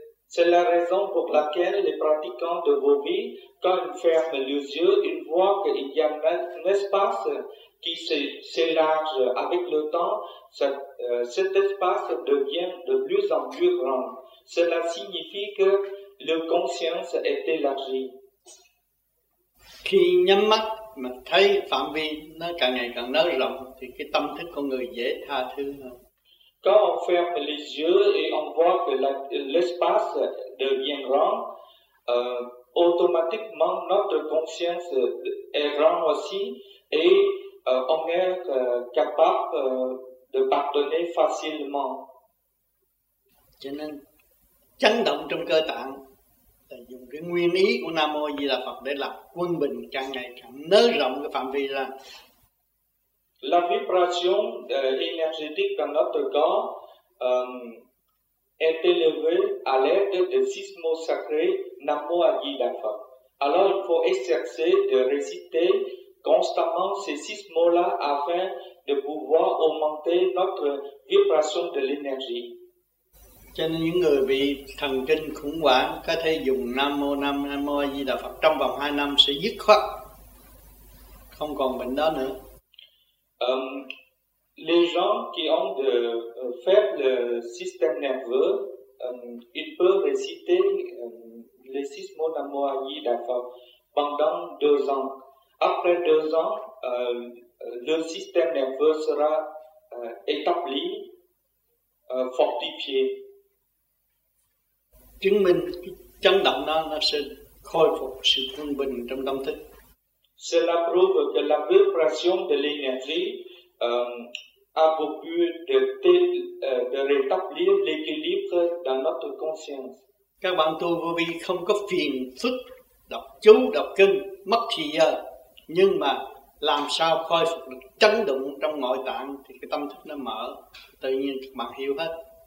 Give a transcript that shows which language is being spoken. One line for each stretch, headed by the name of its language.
French: C'est la raison pour laquelle les pratiquants de vô vi, quand ils ferment les yeux, ils voient qu'il y a un espace qui s'élargit avec le temps. Cet espace devient de plus en plus grand. Cela signifie que le conscience est élargi.
Vietnamese: Khi nhắm mắt mà thấy phạm vi nó càng ngày càng nới rộng thì cái tâm thức con người dễ tha thứ hơn.
French: Quand on ferme les yeux et on voit que l'espace devient grand, automatiquement notre conscience est grand aussi et on est capable de pardonner facilement.
Vietnamese: Cho nên chấn động trong cơ tạng là dùng cái nguyên ý của Nam Mô Di Đà Phật để lập quân bình càng ngày càng nới rộng cái phạm vi ra.
French: La vibration énergétique dans notre corps est élevée à l'aide de six mots sacrés Nam Mô Di Đà Phật. Alors il faut exercer de réciter constamment ces six mots-là afin de pouvoir augmenter notre vibration de l'énergie.
Vietnamese: Cho nên những người bị thần kinh khủng hoảng có thể dùng Nam Mô A Di Đà Phật trong vòng 2 năm sẽ dứt khoát, không còn bệnh đó nữa.
French: Les gens qui ont de faible système nerveux, ils peuvent réciter les six mots Nam Mô A Di Đà Phật pendant 2 ans. Après 2 ans, le système nerveux sera établi, fortifié.
Vietnamese: Chứng minh cái chấn động đó nó sẽ khôi phục sự quân bình trong tâm thức.
French: Cela prouve que la vibration de l'énergie a pour but de rétablir l'équilibre dans notre conscience.
Vietnamese: Các bạn tu vô vi không có phiền phức đọc chú, đọc kinh, mất thì giờ. Nhưng mà làm sao khôi phục được chấn động trong nội tạng thì cái tâm thức nó mở, tự nhiên các bạn hiểu hết.